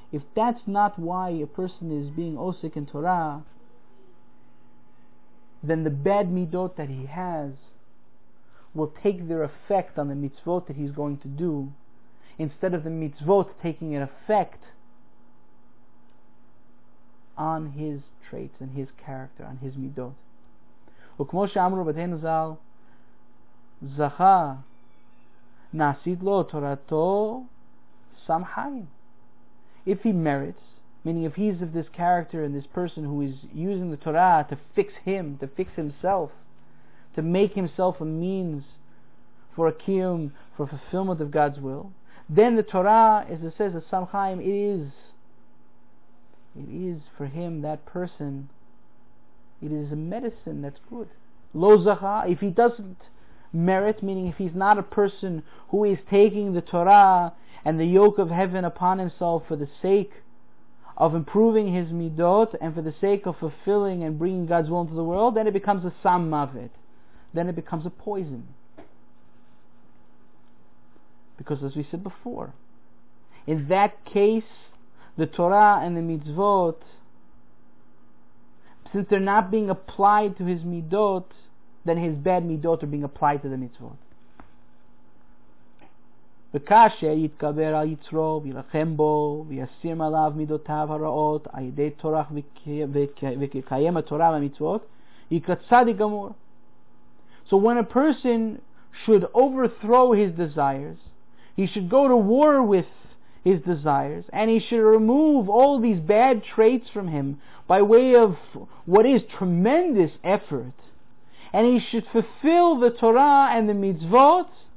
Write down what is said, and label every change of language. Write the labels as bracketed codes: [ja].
[en] If that's not why a person is being osik in Torah, then the bad midot that he has will take their effect on the mitzvot that he's going to do, instead of the mitzvot taking an effect on his traits and his character, on his midot. [he] וכמו שאמרו רבותינו ז"ל, זכה נעשית לו תורתו שם חיים. [en] If he merits, meaning if he's of this character and this person who is using the Torah to fix him, to fix himself, to make himself a means for a kiyum, for fulfillment of God's will, then the Torah, as it says, the Sam Chaim, it is for him, that person, it is a medicine that's good. Lo zacha, if he doesn't merit, meaning if he's not a person who is taking the Torah and the yoke of heaven upon himself for the sake of improving his midot and for the sake of fulfilling and bringing God's will into the world, then it becomes a sam mavet. Then it becomes a poison. Because as we said before, in that case, the Torah and the mitzvot, since they're not being applied to his midot, then his bad midot are being applied to the mitzvot. [he] וכאשר יתגבר על יצרו וילחם בו ויסיר מעליו מידותיו הרעות על ידי תורך וקיים התורה והמצוות יקרא צדיק גמור. [en] So when a person should overthrow his desires, he should go to war with his desires, and he should remove all these bad traits from him by way of what is tremendous effort, and he should fulfill the Torah and the mitzvot,